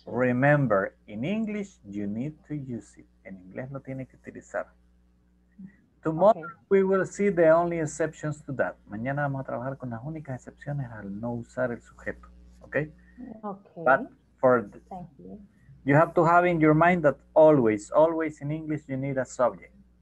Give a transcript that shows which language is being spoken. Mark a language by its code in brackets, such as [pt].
[en] Remember, in English, you need to use it. [es] En inglés no tiene que utilizar. [en] Tomorrow, we will see the only exceptions to that. [es] Mañana vamos a trabajar con las únicas excepciones al no usar el sujeto. Okay? Okay. [en] But for the, Thank you. You have to have in your mind that always, always in English, you need a subject.